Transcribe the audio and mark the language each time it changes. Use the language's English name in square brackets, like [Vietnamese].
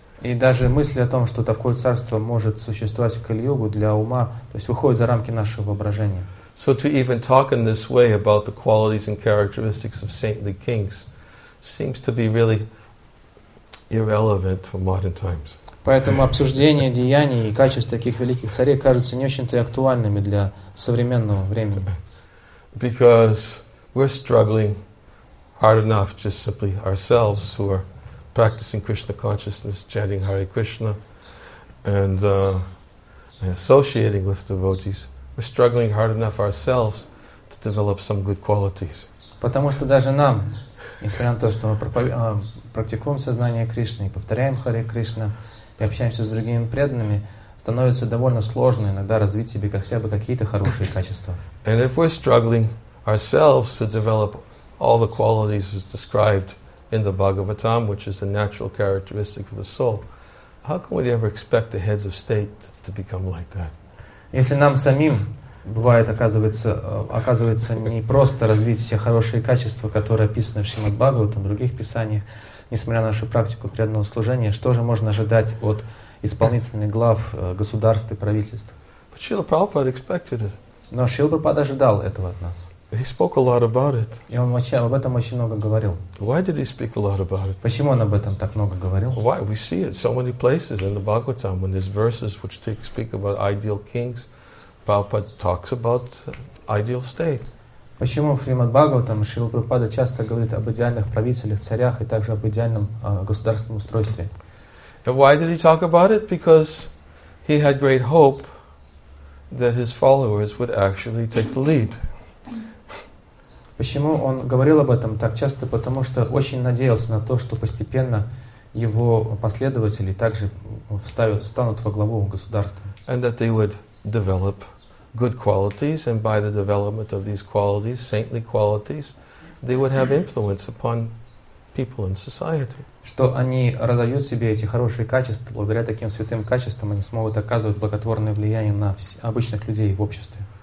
[Russian] И даже мысли о том, что такое царство может существовать в Кали-Югу для ума, то есть выходит за рамки нашего воображения. [English] So to even talk in this way about the qualities and characteristics of saintly kings seems to be really irrelevant for modern times. [Russian] Поэтому обсуждение деяний и качеств таких великих царей кажутся не очень-то актуальными для современного времени. [English] Because we're struggling hard enough just simply ourselves who are practicing Krishna consciousness, chanting Hare Krishna, and associating with devotees, we're struggling hard enough ourselves to develop some good qualities. [Russian] Потому что даже нам, несмотря на то, что мы практикуем сознание Кришны и повторяем Hare Krishna, и общаемся с другими преданными, становится довольно сложно иногда развить себе хотя бы какие-то хорошие качества. [English] And if we're struggling ourselves to develop all the qualities as described in the Bhagavatam, which is a natural characteristic of the soul, how can we ever expect the heads of state to become like that? [Russian] Если нам самим бывает, оказывается не просто развить все хорошие качества, которые описаны в Шримад Бхагаватам, в других писаниях, несмотря на нашу практику преданного служения, что же можно ожидать от исполнительных глав государств и правительств? [English] But Srila Prabhupada expected it. [Russian] Но Шрила Прабхупада ожидал этого от нас. [English] He spoke a lot about it. [Russian] И он об этом очень много говорил. [English] Why did he speak a lot about it? [Russian] Почему он об этом так много говорил? [English] Why? We see it so many places in the Bhagavatam when there's verses which speak about ideal kings, Prabhupada talks about ideal state. [Russian] Почему в Шримад Бхагаватам Шрила Прабхупада часто говорит об идеальных правителях, царях и также об идеальном государственном устройстве? [English] And why did he talk about it? Because he had great hope that his followers would actually take the lead. [Russian] Почему он говорил об этом так часто? Потому что очень надеялся на то, что постепенно его последователи также встанут во главу государства. [English] And that they would develop good qualities, and by the development of these qualities, saintly qualities, they would have influence upon people in society. [Russian] Что они разовьют себе эти хорошие качества, благодаря таким святым качествам они смогут оказывать благотворное влияние на обычных людей в обществе.